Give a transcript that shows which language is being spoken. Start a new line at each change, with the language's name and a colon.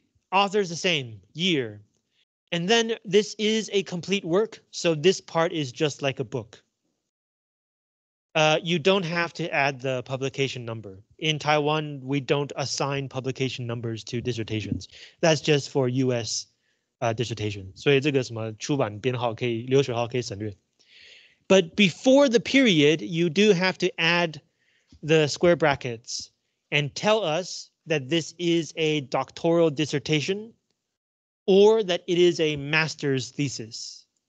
English: Author's the same, year. And then this is a complete work, so this part is just like a book. You don't have to add the publication number. In Taiwan, we don't assign publication numbers to dissertations. That's just for US dissertation.
Chinese: 所以这个什么出版编号可以流水号可以省略。
English: But before the period, you do have to add the square brackets and tell us that this is a doctoral dissertation or that it is a master's thesis.